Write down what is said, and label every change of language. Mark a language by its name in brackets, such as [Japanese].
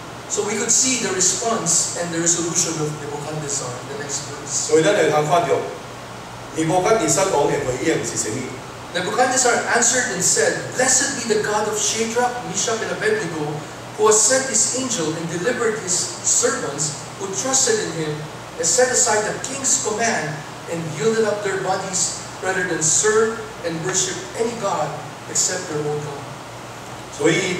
[English] So we could see the response and the resolution of Nebuchadnezzar in the next verse. [Min Nan Chinese] 所以咱来看看到，尼布甲尼撒王的回应是什么？ [English] Nebuchadnezzar answered and said, Blessed be the God of Shadrach, Meshach, and Abednego, who has sent his angel and delivered his servants who trusted in him, and set aside the king's command and yielded up their bodies. Rather than serve and worship any god except their own god.